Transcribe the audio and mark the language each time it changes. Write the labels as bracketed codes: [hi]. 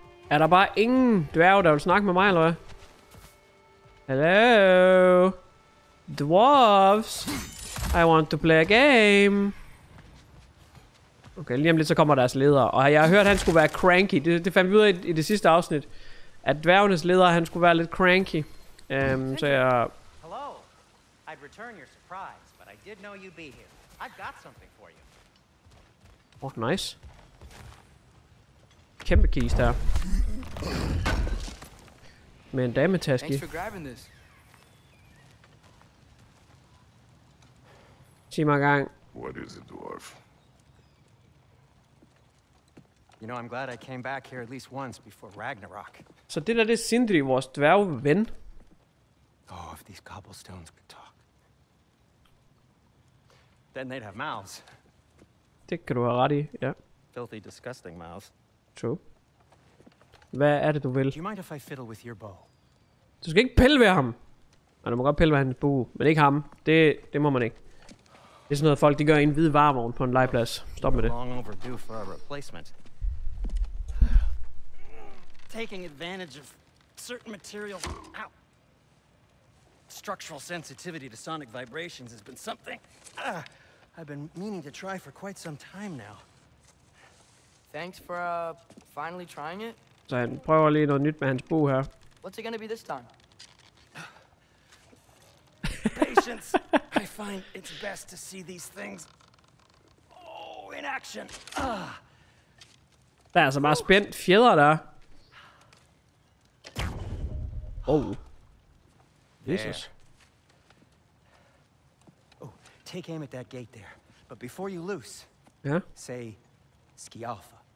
[da] Er der bare ingen dværg, der vil snakke med mig, eller hvad? [en] Hello? Dwarves? I want to play a game. [da] Okay, lige om lidt så kommer deres leder. Og jeg har hørt, at han skulle være cranky. Det fandt vi ud af i det sidste afsnit. At dværgenes leder, han skulle være lidt cranky. Så jeg... Hello. [en] I'd return your surprise, but I did know you'd be here. I've got something for you. Oh, nice. [da] Kæmpe keys der. Med en dametaske. [en] Thanks for grabbing this. [da] Sig mig gang. [en] What is it, dwarf? You know, I'm glad I came back here at least once before Ragnarok. [da] Så det der, det er Sindri, vores dværgven. [en] Oh, if these cobblestones could talk. Then they'd have mouths. [da] Det kan du have ret i, ja. [en] Filthy, disgusting mouths. True. [da] Hvad er det, du vil? [en] Do you mind if I fiddle with your bow? [da] Du skal ikke pille ved ham. Nej, du må godt pille ved hans bue, men ikke ham. Det må man ikke. Det er sådan noget, folk de gør i en hvid varmovn på en legeplads. Stop med det. [en] Long overdue for a replacement. Taking advantage of certain material, ow. Structural sensitivity to sonic vibrations has been something I've been meaning to try for quite some time now. Thanks for finally trying it. [da] Så han prøver lige noget nyt med hans bue her. [en] What's it gonna be this time? Patience. I find it's best to see these things in action. [da] Der er så meget spændt fjeder der. [en] Oh. Jesus. Yeah. Oh, take aim at that gate there. But before you loose. Yeah. Say Skialfa.